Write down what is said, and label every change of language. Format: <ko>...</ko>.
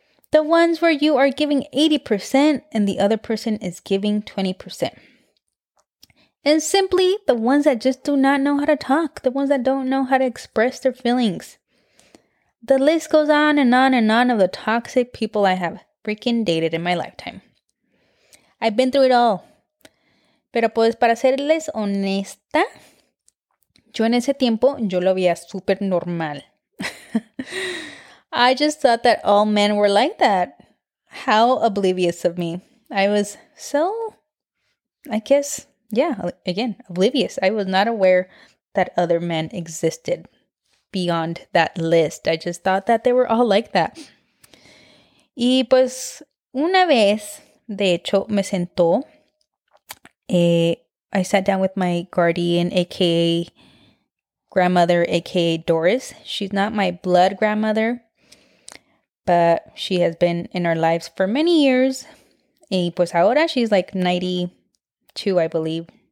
<en>The ones where you are giving 80% and the other person is giving 20%. And simply, the ones that just do not know how to talk. The ones that don't know how to express their feelings. The list goes on and on and on of the toxic people I have freaking dated in my lifetime. I've been through it all.</en> <es>Pero pues, para serles honesta, yo en ese tiempo, yo lo veía súper normal.</es> <en>I just thought that all men were like that. How oblivious of me. I was so, I guess, Yeah, again, oblivious. I was not aware that other men existed beyond that list. I just thought that they were all like that.</en> <es>Y pues una vez, de hecho, me sentó.</es> <en>I sat down with my guardian, aka grandmother, aka Doris. She's not my blood grandmother, but she has been in our lives for many years.</en> <es>Y pues ahora</es> <en>she's like 92, I believe.</en>